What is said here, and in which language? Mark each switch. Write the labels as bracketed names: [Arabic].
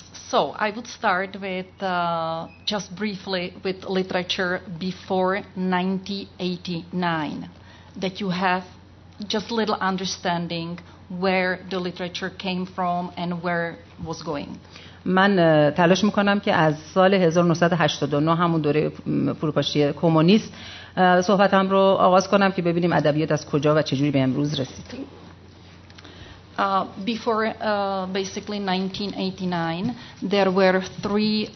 [English] So I would start with just briefly with literature before 1989, that you have just little understanding where the literature came from and where was going. [Persian] من تلاش میکنم که از سال 1989 همون دوره فروپاشی کمونیست صحبتم رو آغاز کنم که ببینیم ادبیات از کجا و چجوری به امروز رسید. [English] Before basically 1989 there were three